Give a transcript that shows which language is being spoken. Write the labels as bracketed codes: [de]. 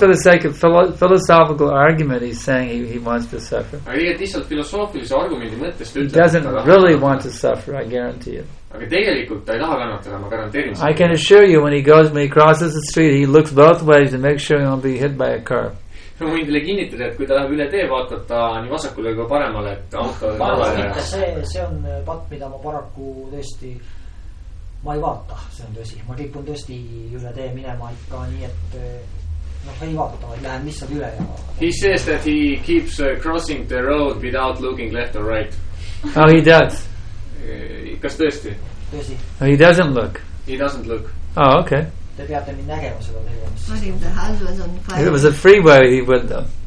[en] for the sake of philosophical argument, he's saying he wants to suffer. He doesn't really want to suffer, I guarantee you. I can assure you, when he crosses the street, he looks both ways to make sure he won't be hit by a car. [et] Ma võin teile kinnitada, et kui ta läheb üle tee, vaatab ta nii vasakule kui paremale, et auto... See on pat, mida ma paraku tõesti... Ma ei vaata, see on tõsi. Ma kipun tõesti üle tee minema ikka nii, et... Noh, ei vaata, ei lähe missal üle. Ja... [en] He says that he keeps crossing the road without looking left or right. Oh, he does. [et] Kas tõesti? Tõsi. [en] No, he doesn't look. He doesn't look. Oh, okay. If it was a freeway, he would though.